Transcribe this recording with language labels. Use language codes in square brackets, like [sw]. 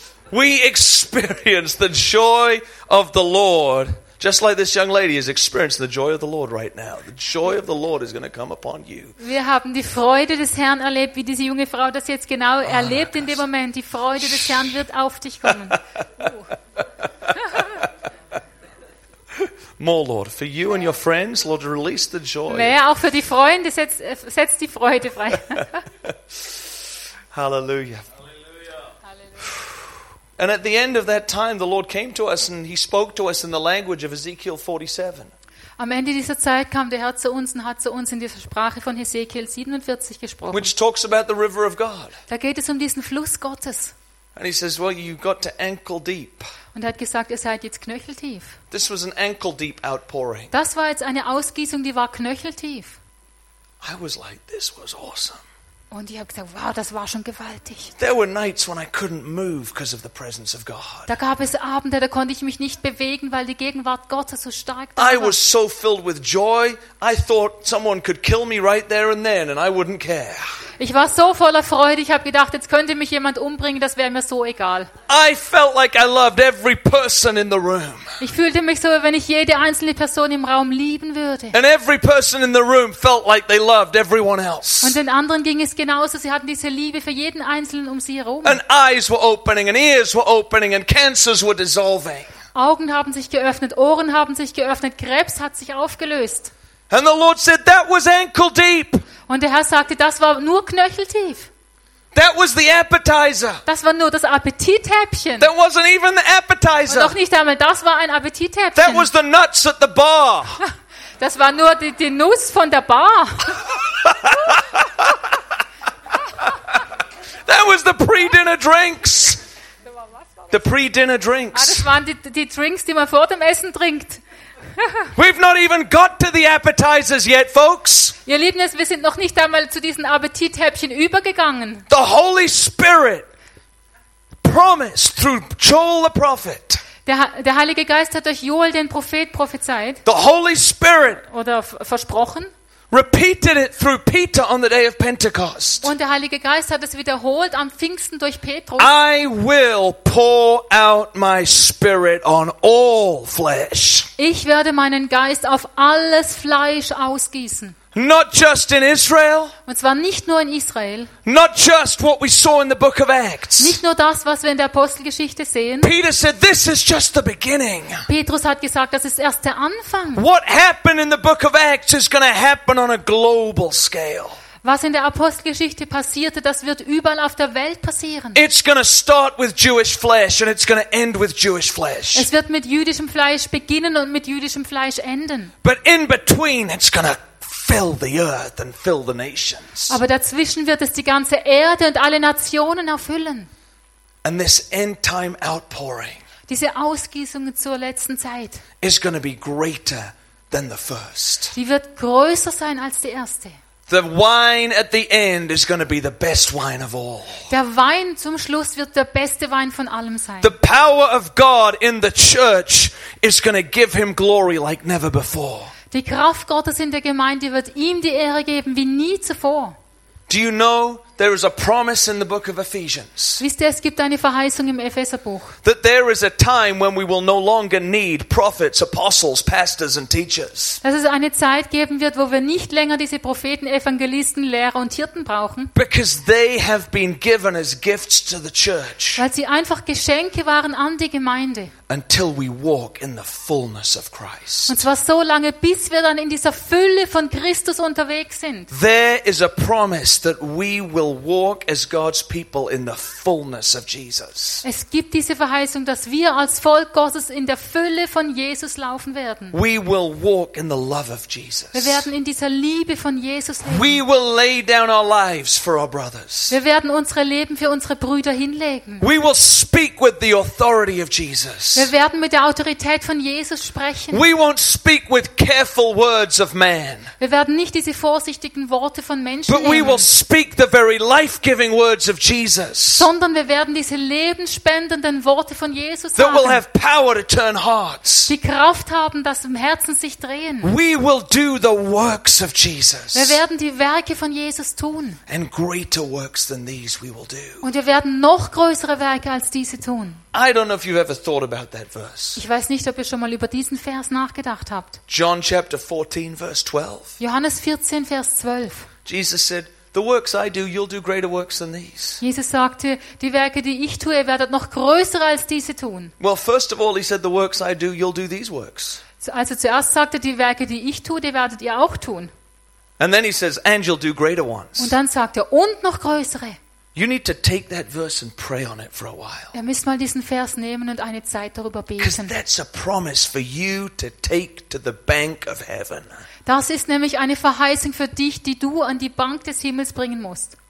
[en] We experience the joy of the Lord. Just like this young lady is experiencing the joy of the Lord right now. The joy of the Lord is going to come upon you. [de] Wir haben die Freude des Herrn erlebt, wie diese junge Frau das jetzt genau erlebt in dem Moment. Die Freude des Herrn wird auf dich kommen. [en] More, Lord, for you and your friends, Lord, release the joy. [de] Mehr auch für die Freunde, setz die Freude frei. [en] Hallelujah. And at the end of that time, the Lord came to us and He spoke to us in the language of Ezekiel 47. [de] Am Ende dieser Zeit kam der Herr zu uns und hat zu uns in dieser Sprache von Ezekiel 47 gesprochen. [en] Which talks about the river of God. [de] Da geht es um diesen Fluss Gottes. [en] And He says, "Well, you've got to ankle deep." [de] Und er hat gesagt, ihr seid jetzt knöcheltief. [en] This was an ankle deep outpouring. [de] Das war jetzt eine Ausgießung, die war knöcheltief. [en] I was like, "This was awesome." [de] Und ich habe gesagt, wow, das war schon gewaltig. [en] There were nights when I couldn't move because of the presence of God. [de] Da gab es Abende, da konnte ich mich nicht bewegen, weil die Gegenwart Gottes so stark war. [en] I was so filled with joy, I thought someone could kill me right there and then and I wouldn't care. [de] Ich war so voller Freude, ich habe gedacht, jetzt könnte mich jemand umbringen, das wäre mir so egal. [en] I felt like I loved every person in the room. [de] Ich fühlte mich so, als wenn ich jede einzelne Person im Raum lieben würde. [en] And every person in the room felt like they loved everyone else. [de] Und den anderen ging es genauso, sie hatten diese Liebe für jeden einzelnen um sie herum. [en] And eyes were opening and ears were opening and cancers were dissolving. [de] Augen haben sich geöffnet, Ohren haben sich geöffnet, Krebs hat sich aufgelöst. [en] And the Lord said that was ankle deep. [de] Und der Herr sagte, das war nur knöcheltief. [en] That was the appetizer. [de] Das war nur das Appetithäppchen. [en] That wasn't even the appetizer. [de] Und noch nicht einmal, das war ein Appetithäppchen. [en] That was the nuts at the bar. [de] Das war nur die Nuss von der Bar. [en] That was the pre-dinner drinks. The pre-dinner drinks. [de] Ah, das waren die Drinks, die man vor dem Essen trinkt. [en] We've not even got to the appetizers yet, folks. [de] Ihr Lieben, wir sind noch nicht einmal zu diesen Appetithäppchen übergegangen. [en] The Holy Spirit promised through Joel the prophet. [de] Der Heilige Geist hat durch Joel den Prophet prophezeit. [en] The Holy Spirit [de] oder versprochen. [en] Repeated it through Peter on the day of Pentecost. [de] Und der Heilige Geist hat es wiederholt am Pfingsten durch Petrus. [en] I will pour out my spirit on all flesh. [de] Ich werde meinen Geist auf alles Fleisch ausgießen. [en] Not just in Israel. [de] Und zwar nicht nur in Israel. [en] Not just what we saw in the book of Acts. [de] Nicht nur das, was wir in der Apostelgeschichte sehen. [en] Peter said, "This is just the beginning." [de] Petrus hat gesagt, das ist erst der Anfang. [en] What happened in the book of Acts is going to happen on a global scale. [de] Was in der Apostelgeschichte passierte, das wird überall auf der Welt passieren. [en] It's going to start with Jewish flesh and it's going to end with Jewish flesh. [de] Es wird mit jüdischem Fleisch beginnen und mit jüdischem Fleisch enden. [en] But in between, it's going to fill the earth and fill the nations. [de] Aber dazwischen wird es die ganze Erde und alle Nationen erfüllen. [en] And this end time outpouring. [de] Diese Ausgießung zur letzten Zeit. [en] Is going to be greater than the first. [de] Die wird größer sein als die erste. [en] The wine at the end is going to be the best wine of all. [de] Der Wein zum Schluss wird der beste Wein von allem sein. [en] The power of God in the church is going to give him glory like never before. [de] Die Kraft Gottes in der Gemeinde wird ihm die Ehre geben wie nie zuvor. [en] Do you know there is a promise in the book of Ephesians? [de] Wisst ihr, es gibt eine Verheißung im Epheserbuch. [en] That there is a time when we will no longer need prophets, apostles, pastors and teachers. [de] Dass es eine Zeit geben wird, wo wir nicht länger diese Propheten, Evangelisten, Lehrer und Hirten brauchen. [en] Because they have been given as gifts to the church. [de] Weil sie einfach Geschenke waren an die Gemeinde. [en] Until we walk in the fullness of Christ. [de] Und zwar so lange, bis wir dann in dieser Fülle von Christus unterwegs sind. [en] There is a promise that we will will walk as God's people in the fullness of Jesus. [de] Es gibt diese Verheißung, dass wir als Volk Gottes in der Fülle von Jesus laufen werden. [en] We will walk in the love of Jesus. [de] Wir werden in dieser Liebe von Jesus leben. [en] We will lay down our lives for our brothers. [de] Wir werden unsere Leben für unsere Brüder hinlegen. [en] We will speak with the authority of Jesus. [de] Wir werden mit der Autorität von Jesus sprechen. [en] We won't speak with careful words of man. [de] Wir werden nicht diese vorsichtigen Worte von Menschen [en] But we will speak the very life-giving words of Jesus. [de] Sondern wir werden diese lebensspendenden Worte von Jesus sagen. [en] That will have power to turn hearts. [de] Die Kraft haben, dass Herzen sich drehen. [en] We will do the works of Jesus. [de] Wir werden die Werke von Jesus tun. [en] And greater works than these we will do. [de] Und wir werden noch größere Werke als diese tun. [en] I don't know if you've ever thought about that verse. [de] Ich weiß nicht, ob ihr schon mal über diesen Vers nachgedacht habt. [en] John chapter 14 verse 12. [de] Johannes 14 Vers 12. [en] Jesus said, "The works I do, you'll do greater works than these." [de] Jesus sagte, die Werke, die ich tue, ihr werdet noch größere als diese tun. [en] Well, first of all, he said, "The works I do, you'll do these works." [de] Also zuerst sagte, die Werke, die ich tue, die werdet ihr auch tun. [en] And then he says, "And you'll do greater ones." [de] Und dann sagt er, und noch größere. [en] You need to take that verse and pray on it for a while. [de] Ihr müsst mal diesen Vers nehmen und eine Zeit darüber beten. [en] Because that's a promise for you to take to the bank of heaven. [de] Das ist nämlich eine Verheißung für dich, die du an die Bank des Himmels bringen musst.